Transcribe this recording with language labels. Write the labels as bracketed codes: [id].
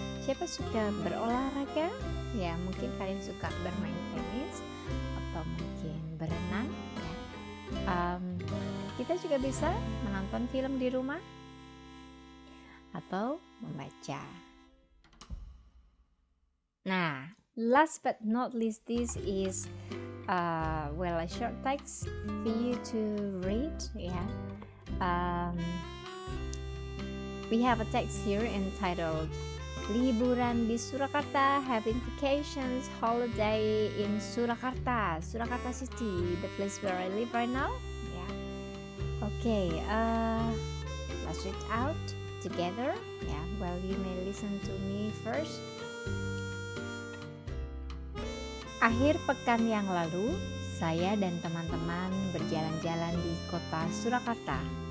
[id] Siapa suka berolahraga? Ya, mungkin kalian suka bermain tenis atau mungkin berenang. Kita juga bisa menonton film di rumah atau membaca. [en] Nah, last but not least, this is a short text for you to read. Yeah. We have a text here entitled Liburan di Surakarta, having vacations, holiday in Surakarta, Surakarta City, the place where I live right now. Yeah. Okay, let's read out together. Yeah, well, you may listen to me first. [id] Akhir pekan yang lalu, saya dan teman-teman berjalan-jalan di kota Surakarta.